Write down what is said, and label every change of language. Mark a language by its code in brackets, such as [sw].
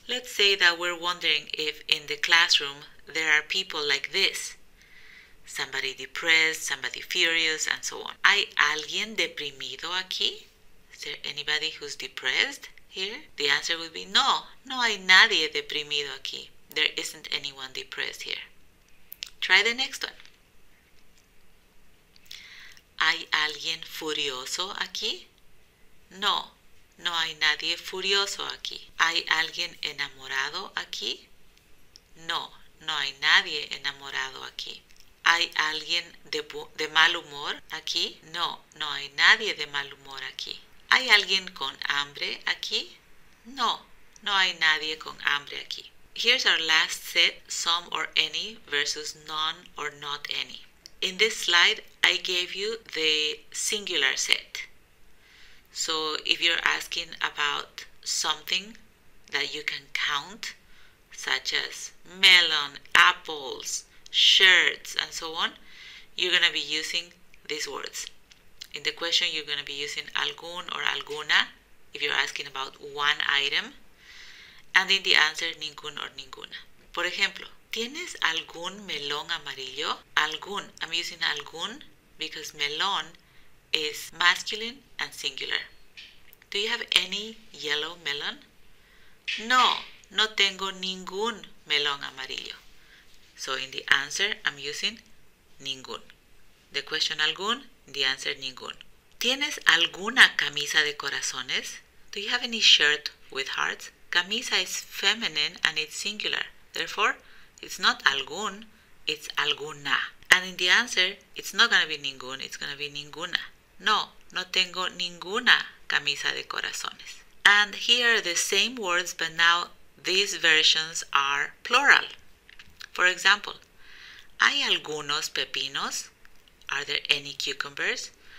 [en] Let's say that we're wondering if in the classroom there are people like this. Somebody depressed, somebody furious, and so on. [es] ¿Hay alguien deprimido aquí? [en] Is there anybody who's depressed here? The answer would be no. [es] No hay nadie deprimido aquí. [en] There isn't anyone depressed here. Try the next one. [es] ¿Hay alguien furioso aquí? No. No hay nadie furioso aquí. ¿Hay alguien enamorado aquí? No, no hay nadie enamorado aquí. ¿Hay alguien de mal humor aquí? No, no hay nadie de mal humor aquí. ¿Hay alguien con hambre aquí? No, no hay nadie con hambre aquí. [en] Here's our last set, some or any versus none or not any. In this slide, I gave you the singular set. So if you're asking about something that you can count, such as melon, apples, shirts, and so on, you're gonna be using these words. In the question, you're gonna be using algún or alguna, if you're asking about one item. And in the answer, ningún or ninguna. [es] Por ejemplo, ¿tienes algún melón amarillo? [en] Algún, I'm using algún because melón is masculine and singular. Do you have any yellow melon? [es] No, no tengo ningún melón amarillo. [en] So in the answer, I'm using ningún. The question algún, the answer ningún. [es] ¿Tienes alguna camisa de corazones? [en] Do you have any shirt with hearts? Camisa is feminine and it's singular. Therefore, it's not algún, it's alguna. And in the answer, it's not gonna be ningún, it's gonna be ninguna. [es] No, no tengo ninguna camisa de corazones. [en] And here are the same words, but now these versions are plural. For example, [es] ¿hay algunos pepinos? [en] Are there any cucumbers?